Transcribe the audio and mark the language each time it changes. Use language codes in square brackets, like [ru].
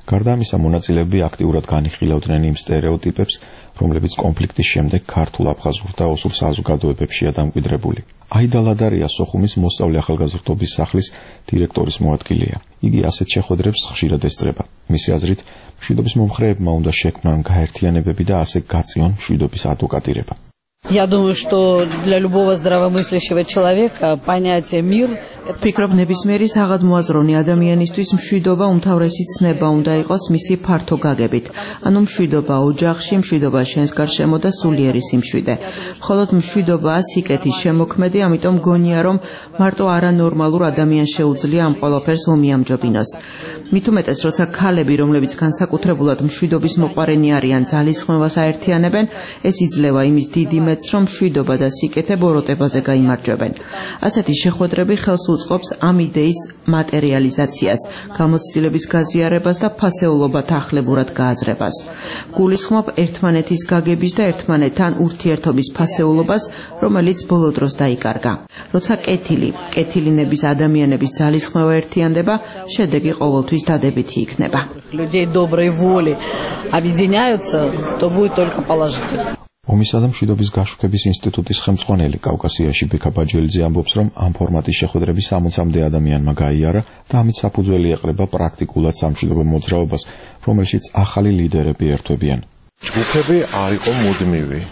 [ka] გარდა ამისა, მონაწილეები აქტიურად განიხილავდნენ იმ სტერეოტიპებს, რომლებიც კონფლიქტის შემდეგ ქართულ, აფხაზურ და ოსურ საზოგადოებებშია დამკვიდრებული. აიდა ლადარია სოხუმის მოსწავლე ახალგაზრდობის სახლის დირექტორის მოადგილეა. იგი ასეთ შეხვედრებს ხშირად ესწრება. მისი აზრით, მშვიდობის მომხრეებმა უნდა შექმნან გაერთიანებები და ასე გაწიონ მშვიდობის ადვოკატირება. [ru] Я думаю, что для любого здравомыслящего человека понятие мир [ka] это фикроб небесмерис агадмуазровни ადამიანისთვის მშვიდობა უმთავრესი ცნება უნდა იყოს მისი ფართო გაგებით. ანუ მშვიდობა ოჯახში, მშვიდობა შენს გარშემო და სულიერი სიმშვიდე. მხოლოდ მშვიდობა სიკეთის შემოქმედი, ამიტომ გონია რომ მარტო არანორმალურ ადამიანს შეუძლია ამ ყველაფერს მომიამჯობინოს. მithumetes როცა ქალები, რომლებიც განსაკუთრებულად მშვიდობის მოყვარენი არიან, ძალისხმევას აერთიანებენ, ეს იძლევა იმის დიმეც, რომ მშვიდობა და სიკეთე ბოროტებაზე გამოიმარჯვებენ. ასეთი შეხვედრები ხელს უწყობს ამ იდეის მატერიალიზაციას, გამოცდილების გაზიარებას და ფასეულობათა ახლებურად გააზრებას. გულისხმობ ერთმანეთის გაგების და ერთმანეთთან ურთიერთობის ფასეულობას, რომელიც ბოლო დროს დაიკარგა. როცა კეთილინების ადამიანების ძალისხმევა ერთიანდება, შედეგი ყოველთვის დადებითი იქნება. [ru] Людей доброй воли объединяются, то будет только положительно. [ka] ომისა და მშვიდობის გაშუქების ინსტიტუტის ხელმძღვანელი კავკასიაში ბექა ბაჯელიძე ამბობს, რომ ამ ფორმატის შეხვედრები 60-მდე ადამიანმა გაიარა და ამით საფუძველი ეყრება პრაქტიკულად სამშვიდობო მოძრაობას, რომელშიც ახალი ლიდერები ერთვებიან. ჯგუფები არ იყო მუდმივი.